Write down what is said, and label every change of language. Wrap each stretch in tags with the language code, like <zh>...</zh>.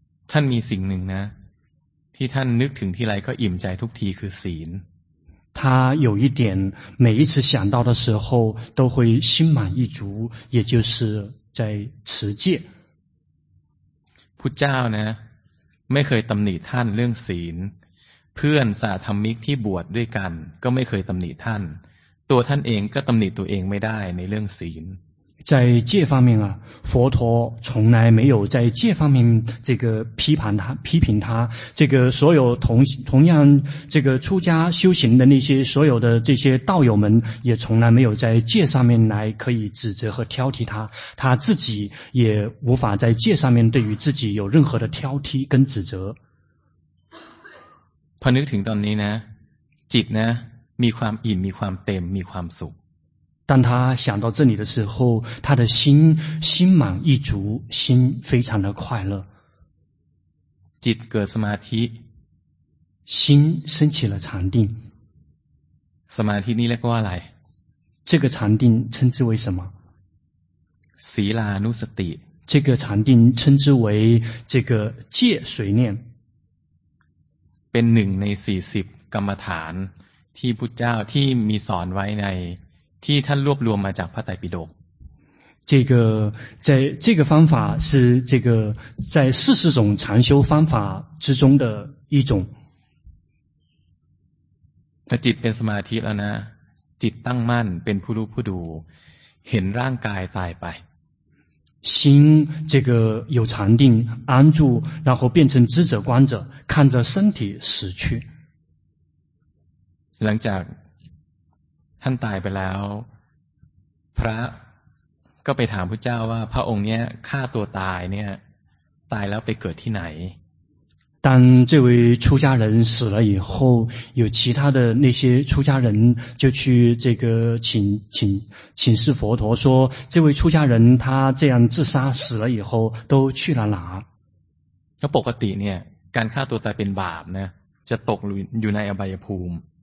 <th>ท่านมีสิ่งหนึ่งนะที่ท่านนึกถึงที่ไรก็อิ่มใจทุกทีคือศีล</th> <zh>他有一点每一次想到的时候都会心满意足也就是在持戒</zh> <th>พุทธเจ้านะไม่เคยตำหนิท่านเรื่องศีลเพื่อนสาธรรมิกที่บวชด้วยกันก็ไม่เคยตำหนิท่านตัวท่านเองก็ตำหนิตัวเองไม่ได้ในเรื่องศีล</th> <zh>在戒方面啊佛陀从来没有在戒方面这个批判他批评他这个所有同样这个出家修行的那些所有的这些道友们也从来没有在戒上面来可以指责和挑剔他他自己也无法在戒上面对于自己有任何的挑剔跟指责</zh> <th>พอนึกถึงตอนนี้นะจิตนะมีความอิ่มมีความเต็มมีความสุข</th> <zh>当他想到这里的时候他的心心满意足心非常的快乐</zh> <th>จิตเกิดสมาธิ</th> <zh>心升起了禅定</zh> <th>สมาธินี้เรียกว่าอะไร</th> <zh>这个禅定称之为什么</zh> <th>สีลานุสติ</th> <zh>这个禅定称之为这个戒随念</zh> <th>เป็นหนึ่งใน40กรรมฐานที่พุทธเจ้าที่มีสอนไว้ในที่ท่านรวบรวมมาจากพระไตรปิฎก</th> <zh>这个在这个方法是这个在40种禅修方法之中的一种</zh> <th>ถ้าจิตเป็นสมาธิแล้วนะจิตตั้งมั่นเป็นผู้รู้ผู้ดูเห็นร่างกายตายไป</th> <zh>心这个有禅定安住然后变成知者观者看着身体死去</zh> <th>หลังจากท่านตายไปแล้วพระก็ไปถามพุทธเจ้าว่าพระองค์เนี้ยฆ่าตัวตายเนี่ยตายแล้วไปเกิดที่ไหน</th> <zh>当这位出家人死了以后有其他的那些出家人就去这个请示佛陀说这位出家人他这样自杀死了以后都去了哪</zh> <th>แล้วปกติเนี่ยการฆ่าตัวตายเป็นบาปนะจะตกอยู่ในอบายภูมิ</th>